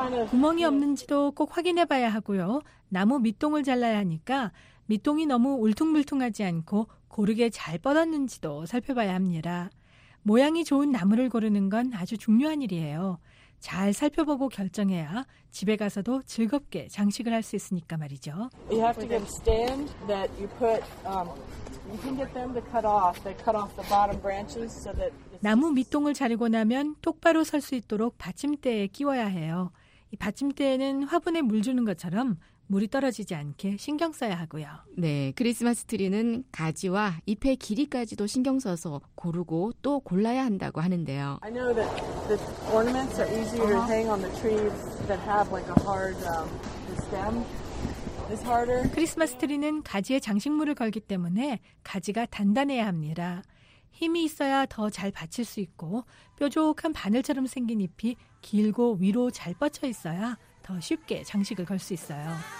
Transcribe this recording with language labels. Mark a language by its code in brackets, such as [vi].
[ko] 구멍이 없는지도 꼭 확인해 봐야 하고요. 나무 밑동을 잘라야 하니까 밑동이 너무 울퉁불퉁하지 않고 고르게 잘 뻗었는지도 살펴봐야 합니다. 모양이 좋은 나무를 고르는 건 아주 중요한 일이에요. 잘 살펴보고 결정해야 집에 가서도 즐겁게 장식을 할 수 있으니까 말이죠. [en] You have to get a stand that you put, you can get them to cut off. They cut off the bottom branches so that [ko] 나무 밑동을 자르고 나면 똑바로 설 수 있도록 받침대에 끼워야 해요. 이 받침대에는 화분에 물 주는 것처럼 물이 떨어지지 않게 신경 써야 하고요. 네, 크리스마스 트리는 가지와 잎의 길이까지도 신경 써서 고르고 또 골라야 한다고 하는데요. [en] I know that the ornaments are easier to hang on the trees that have like a hard stem. It's harder. [ko] 크리스마스 트리는 가지에 장식물을 걸기 때문에 가지가 단단해야 합니다. 힘이 있어야 더 잘 받칠 수 있고 뾰족한 바늘처럼 생긴 잎이 길고 위로 잘 뻗쳐 있어야 더 쉽게 장식을 걸 수 있어요.